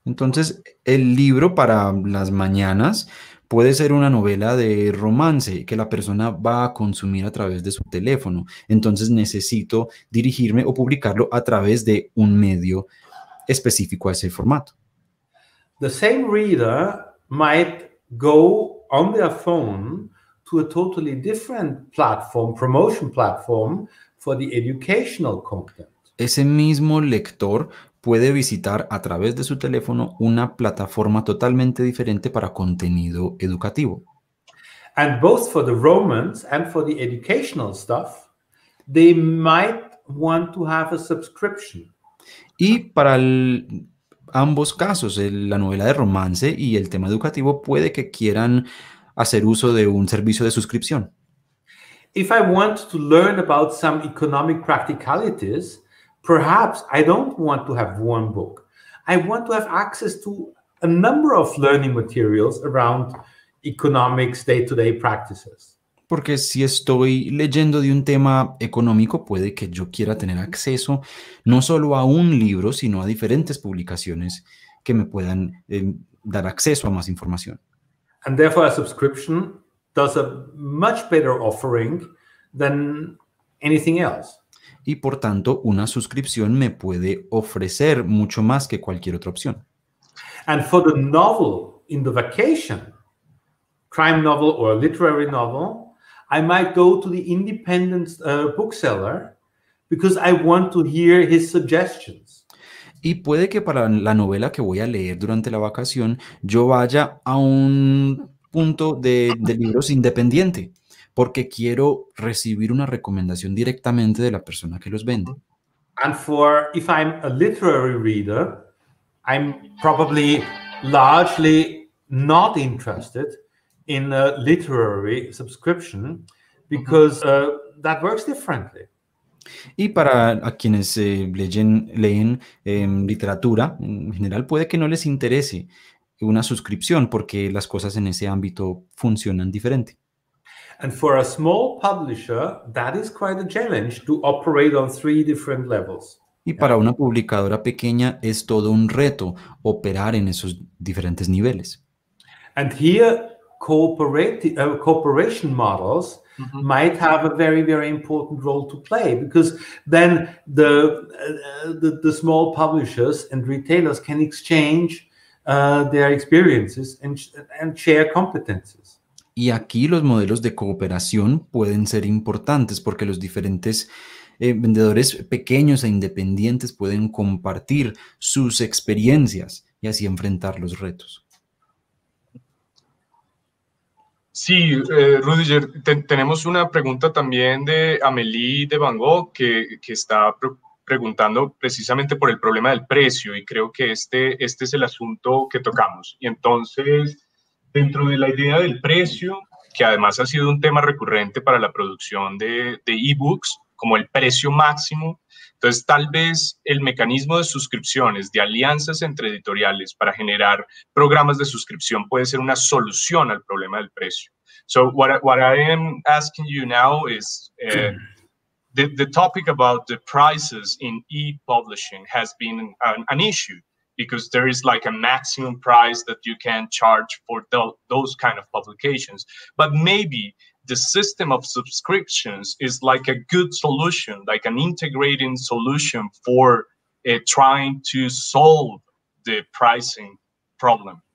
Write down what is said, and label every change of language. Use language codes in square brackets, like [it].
[es] Entonces, el libro para las mañanas puede ser una novela de romance que la persona va a consumir a través de su teléfono. Entonces necesito dirigirme o publicarlo a través de un medio específico a ese formato. [en] The same reader might go on their phone to a totally different platform, promotion platform for the educational content. [es] Ese mismo lector puede visitar a través de su teléfono una plataforma totalmente diferente para contenido educativo. [en] And both for the romance and for the educational stuff, they might want to have a subscription. [es] Y para ambos casos, la novela de romance y el tema educativo, puede que quieran hacer uso de un servicio de suscripción. [en] If I want to learn about some economic practicalities, perhaps I don't want to have one book. I want to have access to a number of learning materials around economics, day-to-day practices. [es] Porque si estoy leyendo de un tema económico, puede que yo quiera tener acceso no solo a un libro, sino a diferentes publicaciones que me puedan dar acceso a más información. [en] And therefore a subscription does a much better offering than anything else. [es] Y por tanto, una suscripción me puede ofrecer mucho más que cualquier otra opción. [en] And for the novel in the vacation, crime novel or literary novel, I might go to the independent bookseller because I want to hear his suggestions. [es] Y puede que para la novela que voy a leer durante la vacación, yo vaya a un punto de libros independiente, porque quiero recibir una recomendación directamente de la persona que los vende. [en] And for if I'm a literary reader, I'm probably largely not interested in a literary subscription because that works differently. [es] Y para a quienes leen literatura en general, puede que no les interese una suscripción porque las cosas en ese ámbito funcionan diferente. [en] And for a small publisher, that is quite a challenge to operate on three different levels. [es] Y para una publicadora pequeña es todo un reto operar en esos diferentes niveles. [en] And here, cooperation models might have a very, very important role to play, because then the small publishers and retailers can exchange their experiences and share competences. [es] Y aquí los modelos de cooperación pueden ser importantes porque los diferentes vendedores pequeños e independientes pueden compartir sus experiencias y así enfrentar los retos. Sí, Rüdiger, tenemos una pregunta también de Amélie de Van Gogh que está preguntando precisamente por el problema del precio, y creo que este es el asunto que tocamos. Y entonces, dentro de la idea del precio, que además ha sido un tema recurrente para la producción de e-books, como el precio máximo, entonces tal vez el mecanismo de suscripciones, de alianzas entre editoriales para generar programas de suscripción puede ser una solución al problema del precio. [en] So what I am asking you now is the topic about the prices in e-publishing has been an issue. Because there is like a maximum price that you can charge for those kind of publications. But maybe the system of subscriptions is like a good solution, like an integrating solution for trying to solve the pricing problem.